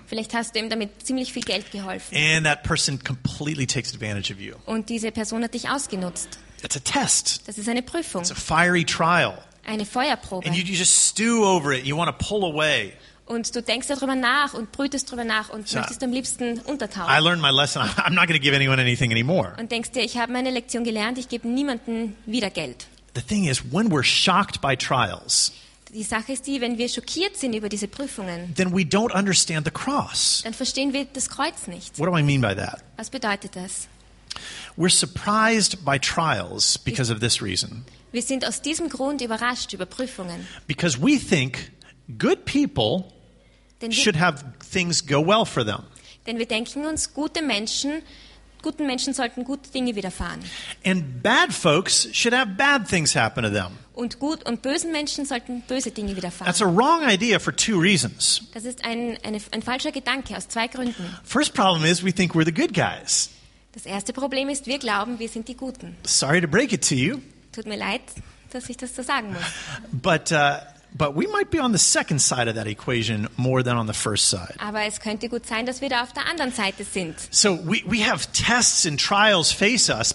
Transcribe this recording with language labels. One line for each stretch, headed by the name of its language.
German: Vielleicht hast du ihm damit ziemlich viel Geld geholfen.
English: And that person completely takes advantage of you.
German: Und diese Person hat dich ausgenutzt.
English: It's a test.
German: Das ist eine Prüfung.
English: It's a fiery trial.
German: Eine Feuerprobe.
English: And you just stew over it. You want to pull away.
German: Und du denkst darüber nach und brütest darüber nach und möchtest am liebsten untertauchen.
English: I learned my lesson. I'm not going to give anyone anything anymore.
German: Und denkst dir, ich habe meine Lektion gelernt. Ich gebe niemanden wieder Geld.
English: The thing is, when we're shocked by trials.
German: Die Sache ist die, wenn wir schockiert sind über diese Prüfungen,
English: then we don't understand the cross.
German: Dann verstehen wir das Kreuz nicht.
English: What do I mean by that?
German: Was bedeutet das?
English: We're surprised by trials because of this reason.
German: Wir sind aus diesem Grund überrascht über Prüfungen.
English: Because we think good people should have things go well for them.
German: Denn wir denken uns, guten Menschen sollten gute Dinge widerfahren.
English: And bad folks should have bad things happen to them.
German: Und gut und bösen Menschen sollten böse Dinge widerfahren.
English: That's a wrong idea for two reasons.
German: Das ist ein falscher Gedanke aus zwei Gründen.
English: First problem is we think we're the good guys.
German: Das erste Problem ist, wir glauben, wir sind die Guten.
English: Sorry to break it to you.
German: Tut mir leid, dass ich das so sagen muss.
English: But we might be on the second side of that equation more than on the first side.
German: Aber es könnte gut sein, dass wir da auf der anderen Seite sind.
English: So we have tests and trials face us.